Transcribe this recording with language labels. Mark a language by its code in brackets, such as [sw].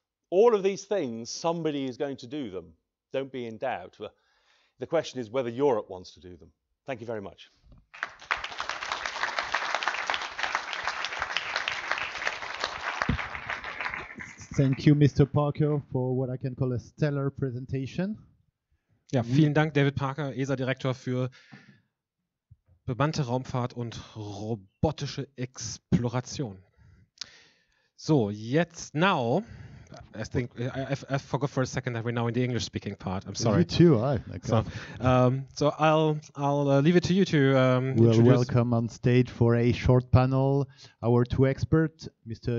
[en] All of these things, somebody is going to do them. Don't be in doubt. The question is whether Europe wants to do them. Thank you very much. Thank you, Mr. Parker, for what I can call a stellar presentation. [de] Ja, vielen Dank, David Parker, ESA-Direktor für bemannte Raumfahrt und robotische Exploration. [en] So, jetzt now, I forgot for a second that we're now in the English-speaking part. I'm sorry. You too, I. So I'll leave it to you to introduce. We'll welcome on stage for a short panel our two experts, Mr.